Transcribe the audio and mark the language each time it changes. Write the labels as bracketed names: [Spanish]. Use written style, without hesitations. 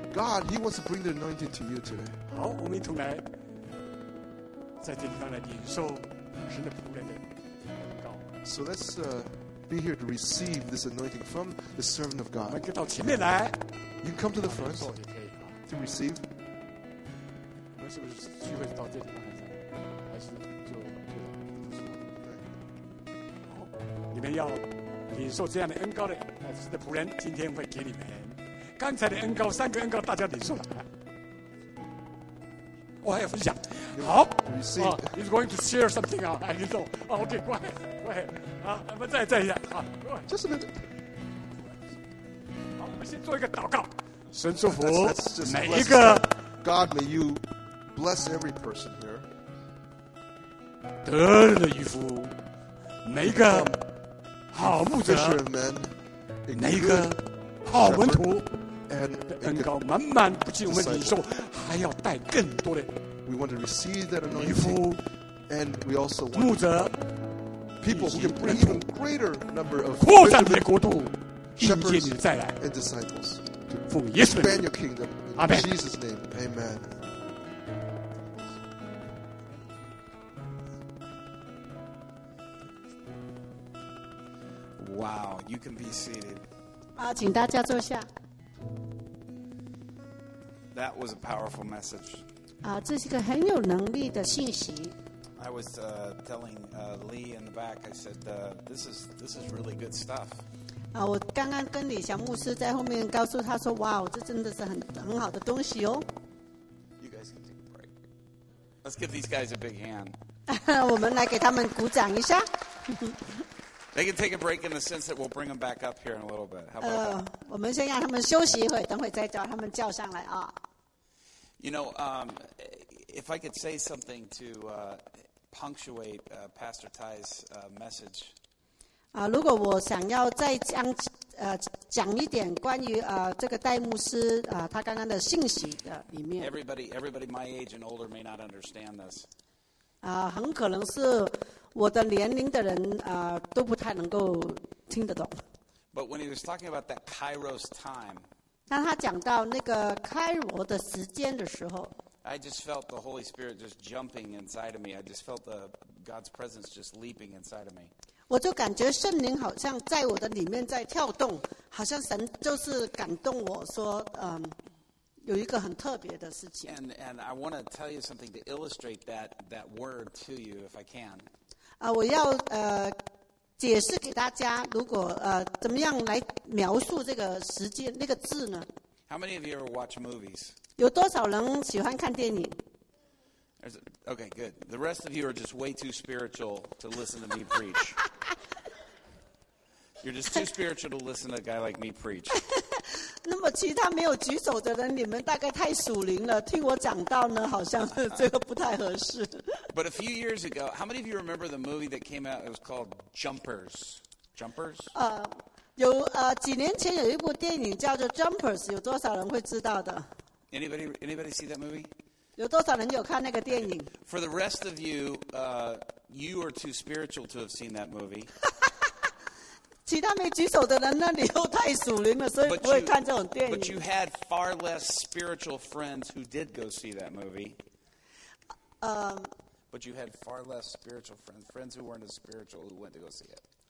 [English] God, He wants to bring the anointing to you today. [Chinese] 好，我们一同来，在这地方来领受神的仆人的恩膏。 [English] So let's be here to receive this anointing from the servant of God. [Chinese] 我们到前面来。 [English] You can come to the front to receive. [Chinese] 我们是不是聚会到这地方来？还是就这样？好，你们要领受这样的恩膏的，神的仆人今天会给你们。刚才的恩膏，三个恩膏大家领受了，我还要分享。好 [English] he's going to share something. I need to know. Okay, [Chinese] 乖乖我们再一下。 [English] Just a minute. [Chinese] 好，我们先做一个祷告。神祝福每一个。 [English] God, may you bless every person here. [Chinese] 得人的渔夫，每一个好牧者，每一个好门徒。恩膏满满不仅我们领受还要带更多的 [English] we want to receive that anointing and we also want [Chinese] 牧者 [English] people who can bring even greater number of [Chinese] 扩散你的国度迎接你的再来 [English] and disciples to expand your kingdom in Amen. Jesus name Amen Wow you can be seated [Chinese] 好请大家坐下 [English] That was a powerful message. [Chinese] 这是一个很有能力的信息。 [English] I was telling Lee in the back. I said, "This is really good stuff." [Chinese] 我刚刚跟李翔牧师在后面告诉他说，哇，这真的是很好的东西哦。 [English] You guys can take a break. Let's give these guys a big hand. [Chinese] 我们来给他们鼓掌一下。 [English] They can take a break in the sense that we'll bring them back up here in a little bit. How about that? [Chinese] 我们先让他们休息一会，等会再叫他们叫上来啊。 [English] You know, if I could say something to punctuate Pastor Tai's message. [Chinese] 如果我想要再讲讲一点关于这个戴牧师他刚刚的信息里面。 [English] Everybody my age and older may not understand this. [Chinese] 很可能是。我的年龄的人都不太能够听得懂。 [English] But when he was talking about that Kairos time, [Chinese] 当他讲到那个开罗的时间的时候 [English] ，I just felt the Holy Spirit just jumping inside of me. I just felt the God's presence just leaping inside of me. [Chinese] 我就感觉圣灵好像在我的里面在跳动，好像神就是感动我说，有一个很特别的事情。 [English] And I want to tell you something to illustrate that word to you if I can. [Chinese] 我要解释给大家，如果怎么样来描述这个时间那个字呢 [English] ？How many of you ever watch movies？ [Chinese] 有多少人喜欢看电影 [English] ？Okay, good. The rest of you are just way too spiritual to listen to me preach. You're just too spiritual to listen to a guy like me preach. [Chinese] 那么其他没有举手的人，你们大概太属灵了。听我讲到呢，好像这个不太合适。 [English] But a few years ago, how many of you remember the movie that came out? It was called Jumpers. Jumpers? [Chinese] 有几年前有一部电影叫做 Jumpers， 有多少人会知道的 [English] ？Anybody see that movie？ [Chinese] 有多少人有看那个电影 [English] ？For the rest of you, you are too spiritual to have seen that movie. [Chinese] 其他没举手的人呢，你又太属灵了，所以不会看这种电影。 [English] But you had far less spiritual friends who did go see that movie. But you had far less spiritual friends who weren't as spiritual who went to go see it.